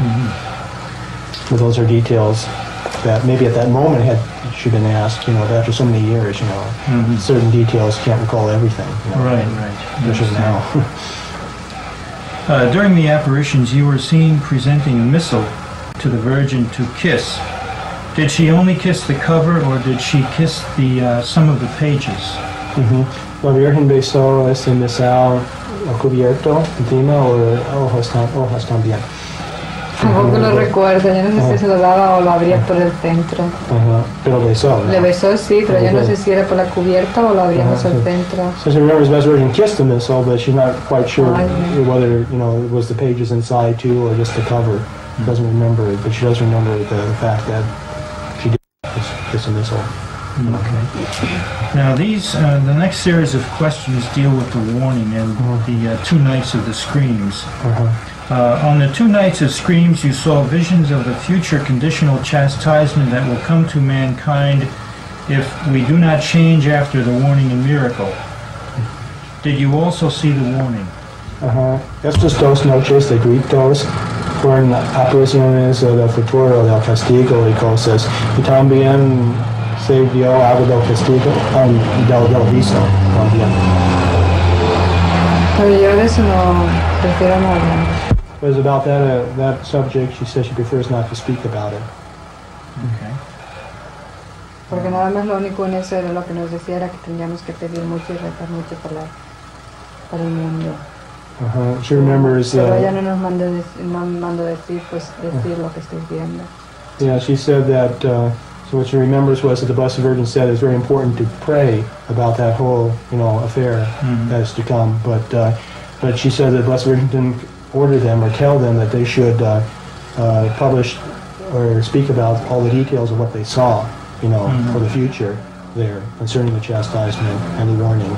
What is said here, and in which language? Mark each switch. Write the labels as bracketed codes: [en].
[en] Mm-hmm. But those are details that maybe at that moment had she been asked, after so many years, certain details can't recall everything. Right. Which is now. During the apparitions, you were seen presenting a missal to the Virgin to kiss. Did she only kiss the cover or did she kiss the some of the pages? Mm-hmm. [es] La Virgen besó ese misal o cubierto encima o hojas también. Tampoco lo recuerdo, yo no sé si se lo daba o lo abría por el centro. Pero besó, ¿no? Le besó, sí, pero yo no sé si era por la cubierta o lo abría por el centro. [en] So she remembers Blessed Virgin kissed the misal, but she's not quite sure whether, it was the pages inside too or just the cover. She doesn't remember it, but she does remember the fact that she did kiss the misal. Okay. Now the next series of questions deal with the warning and the two nights of the screams. On the two nights of screams, you saw visions of the future conditional chastisement that will come to mankind if we do not change after the warning and miracle. Did you also see the warning? [es] Estas dos noches de gritos fueron apariciones del futuro del castigo y cosas, y también se vio algo del castigo del viso también. Pero yo de eso no prefiero no hablar. [en] It was about that subject, she says she prefers not to speak about it. Okay. [es] Porque nada más lo único en eso era lo que nos decía era que teníamos que pedir mucho y rezar mucho para el mundo. [en] She remembers that. [es] Pero ya no nos mando decir, pues decir lo que estoy viendo. [en] Yeah, she said that. So what she remembers was that the Blessed Virgin said it's very important to pray about that whole, affair that is to come. But she said that the Blessed Virgin didn't order them or tell them that they should publish or speak about all the details of what they saw, for the future there concerning the chastisement and the warning.